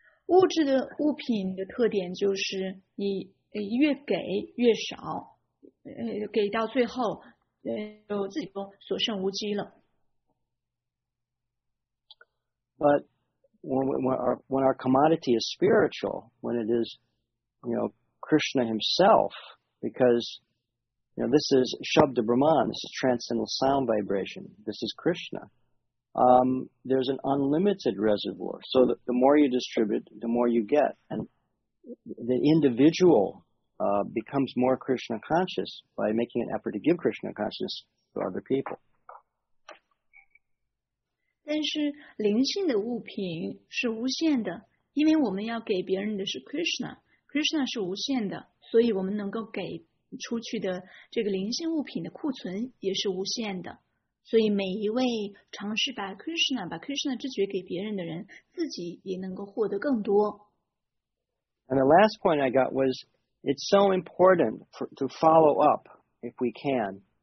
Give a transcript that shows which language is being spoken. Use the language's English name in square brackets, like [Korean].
[Chinese] 物质的物品的特点就是你越给越少，给到最后，就自己都所剩无几了。 [English] But when our commodity is spiritual, when it is, you know, Krishna himself, because, you know, this is Shabda Brahman, this is transcendental sound vibration, this is Krishna, there's an unlimited reservoir. So the more you distribute, the more you get. And the individual becomes more Krishna conscious by making an effort to give Krishna consciousness to other people. [Chinese] 但是灵性的物品是无限的，因为我们要给别人的是 Krishna 是无限的，所以我们能够给出去的这个灵性物品的库存也是无限的，所以每一位尝试把 Krishna 之觉给别人的人，自己也能够获得更多。 [English] And the last point I got was it's so important to follow up if we can.